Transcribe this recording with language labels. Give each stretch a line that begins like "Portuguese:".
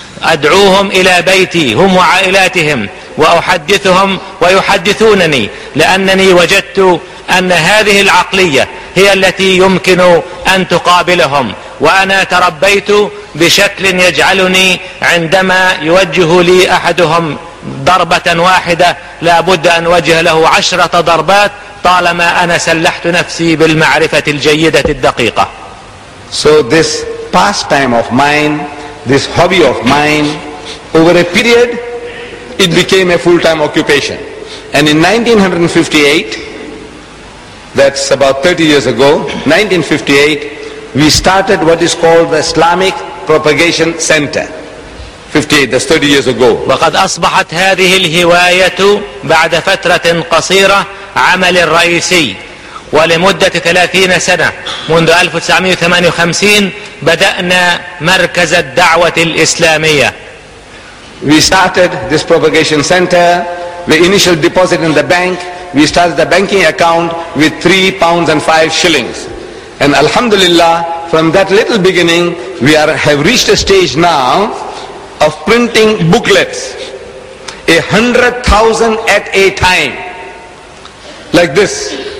Arabic: أدعوهم إلى بيتي هم وعائلاتهم وأحدثهم ويحدثونني لأنني وجدت أن هذه العقلية هي التي يمكن أن تقابلهم وأنا تربيت بشكل يجعلني عندما يوجه لي أحدهم ضربة واحدة لا بد أن أوجه له 10 ضربات طالما أنا سلحت نفسي بالمعرفة الجيدة الدقيقة.
English: So this pastime of mine, this hobby of mine, over a period, it became a full-time occupation. And in 1958, that's about 30 years ago, 1958, we started what is called the Islamic Propagation Center. 58, that's 30 years ago.
Arabic: وقد أصبحت هذه الهواية بعد فترة قصيرة عمل الرئيسي. ولمدة 30 سنة منذ 1958 بدأنا مركز الدعوة الإسلامية.
English: We started this propagation center, the initial deposit in the bank, we started the banking account with £3.05. And Alhamdulillah, from that little beginning, we have reached a stage now of printing booklets, 100,000 at a time, like this.